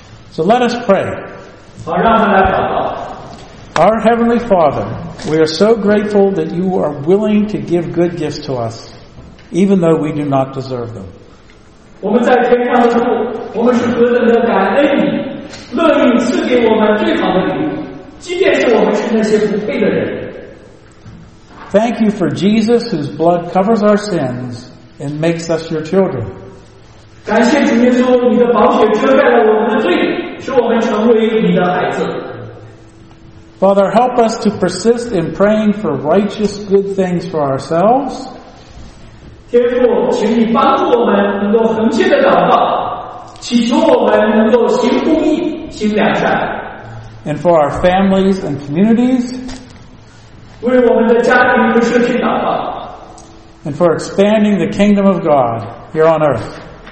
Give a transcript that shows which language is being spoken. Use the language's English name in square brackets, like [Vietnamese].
[English] So let us pray. [Chinese] 好，让他来祷告。 [English] Our Heavenly Father, we are so grateful that you are willing to give good gifts to us, even though we do not deserve them. [Chinese] 我们在天上的父，我们是何等的感恩你，乐意赐给我们最好的礼物，即便是我们是那些不配的人。 [English] Thank you for Jesus, whose blood covers our sins and makes us your children. [Chinese] 感谢主耶稣，你的宝血遮盖了我们的罪，使我们成为你的孩子。 [English] Father, help us to persist in praying for righteous good things for ourselves. [Chinese] 天父，请你帮助我们能够恒切的祷告，祈求我们能够行公义，行良善。 [English] And for our families and communities. [Chinese] 为我们的家庭和社区祷告。 [English] And for expanding the kingdom of God here on earth.